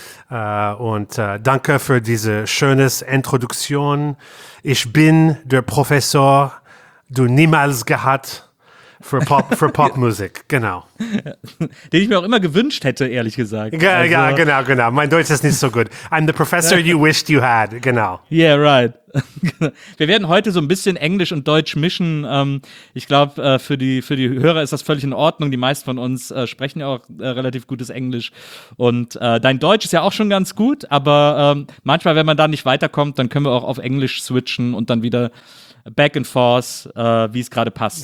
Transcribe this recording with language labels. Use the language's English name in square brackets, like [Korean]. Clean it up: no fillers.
[German] Und danke für diese schöne Introduktion. Ich bin der Professor, du niemals gehabt für Popmusik, genau. Den ich mir auch immer gewünscht hätte, ehrlich gesagt. Ja, also, ja, genau, genau. Mein Deutsch ist nicht so gut. [English] I'm the professor you wished you had, genau. Yeah, right. [German] Wir werden heute so ein bisschen Englisch und Deutsch mischen. Ich glaube, für die Hörer ist das völlig in Ordnung. Die meisten von uns sprechen ja auch relativ gutes Englisch. Und dein Deutsch ist ja auch schon ganz gut, aber manchmal, wenn man da nicht weiterkommt, dann können wir auch auf Englisch switchen und dann wieder [English] back and forth, [German] wie es gerade passt.